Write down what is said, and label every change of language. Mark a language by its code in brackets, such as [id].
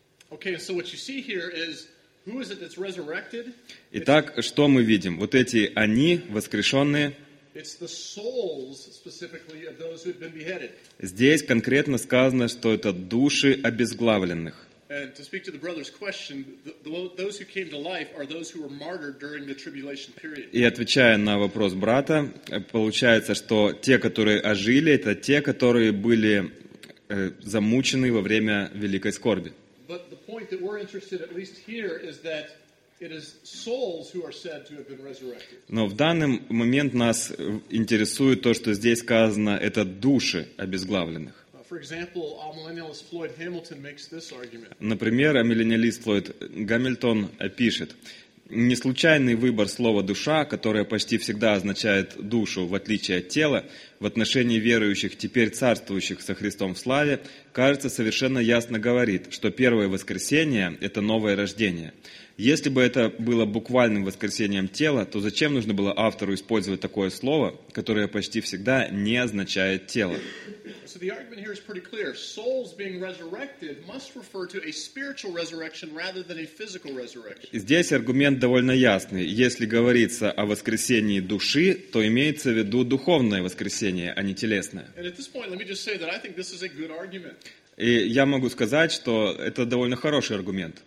[en] Okay, so what you see here is, who is it that's resurrected? [ru] Итак, что мы видим? Вот эти «они» воскрешенные. [en] It's the souls specifically of those who had been beheaded. [ru] Здесь конкретно сказано, что это души обезглавленных. [en] And to speak to the brother's question, those who came to life are those who were martyred during the tribulation period. [ru] И отвечая на вопрос брата, получается, что те, которые ожили, это те, которые были замучены во время великой скорби. [en] But the point that we're interested at least here is that it is souls who are said to have been resurrected. [ru] Но в данный момент нас интересует то, что здесь сказано, это души обезглавленных. [en] For example, amillennialist Floyd Hamilton makes this argument. [ru] Например, амиллениалист Флойд Гамильтон пишет: не случайный выбор слова «душа», которое почти всегда означает «душу», в отличие от тела, в отношении верующих, теперь царствующих со Христом в славе, кажется, совершенно ясно говорит, что первое воскресение – это новое рождение. Если бы это было буквальным воскресением тела, то зачем нужно было автору использовать такое слово, которое почти всегда не означает тело? [en] So the argument here is pretty clear. Souls being resurrected must refer to a spiritual resurrection rather than a physical resurrection. [ru] Здесь аргумент довольно ясный. Если говорится о воскресении души, то имеется в виду духовное воскресение, а не телесное. [en] And at this point, let me just say that I think this is a good argument. [ru] И я могу сказать, что это довольно хороший аргумент.